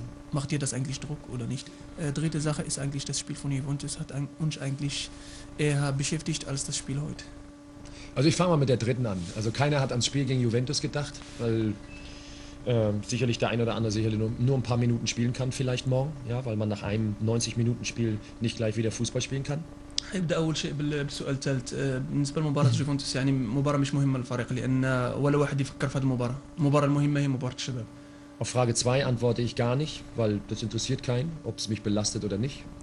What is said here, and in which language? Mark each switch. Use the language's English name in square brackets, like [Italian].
[German] Macht dir das eigentlich Druck oder nicht? Dritte Sache ist eigentlich, das Spiel von Juventus hat uns eigentlich eher beschäftigt als das Spiel heute. Also ich fange mal mit der dritten an. Also keiner hat ans Spiel gegen Juventus gedacht, weil sicherlich der ein oder andere sicherlich nur ein paar Minuten spielen kann, vielleicht morgen, ja, weil man nach einem 90-Minuten-Spiel nicht gleich wieder Fußball spielen kann. [Arabic] يبدا اول شيء بالسؤال الثالث بالنسبه لمباراه جوفنتوس يعني مباراه مش مهمه للفريق لان ولا واحد يفكر في هذه المباراه المباراه المهمه هي مباراه الشباب [German] auf frage 2 antworte ich gar nicht weil das interessiert keinen ob es mich belastet oder nicht